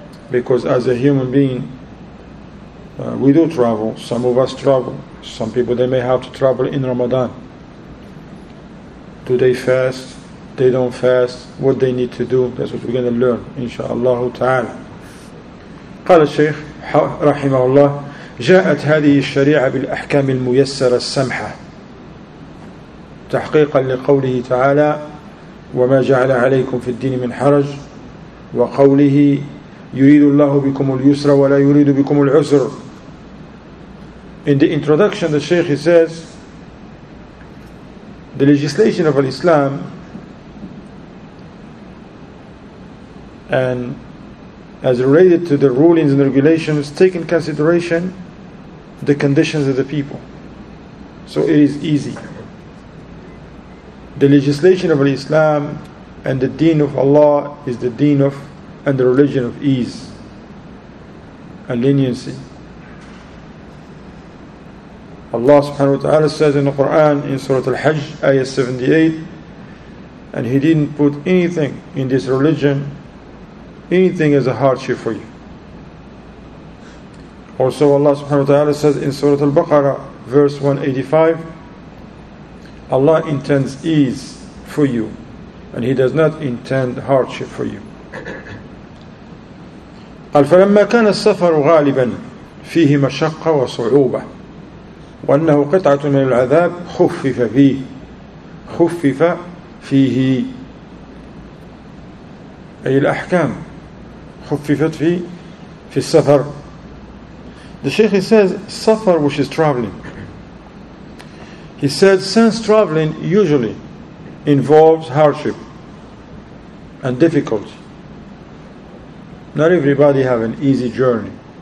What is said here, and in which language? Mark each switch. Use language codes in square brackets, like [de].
[en] Because as a human being, we do travel. Some of us travel. Some people, they may have to travel in Ramadan. Do they fast? They don't fast. What they need to do? That's what we're going to learn, inshallah ta'ala. [ar] قال الشيخ رحمه الله جاءت هذه الشريعة بالأحكام الميسرة السمحة تحقيقا لقوله تعالى وما جعل عليكم في الدين من حرج وقوله يريد الله بكم اليسر ولا يريد بكم العسر. [en] In the introduction, the Shaykh says the legislation of Islam and as related to the rulings and regulations, take in consideration the conditions of the people. So it is easy. The legislation of Islam and the deen of Allah is the deen of and the religion of ease and leniency. Allah subhanahu wa ta'ala says in the Quran in Surah Al-Hajj, ayah 78, and He didn't put anything in this religion, anything is a hardship for you. Also Allah subhanahu wa ta'ala says in Surah Al-Baqarah, verse 185, Allah intends ease for you, and He does not intend hardship for you. [ar] قال فلما كان السفر غالبا فيه مشقة وصعوبة وأنه قطعة من العذاب خفف فيه خفف فيه أي الأحكام خففت في السفر. [en] The Shaykh, he says, safar, which is traveling. He said, since traveling usually involves hardship and difficulty, not everybody have an easy journey.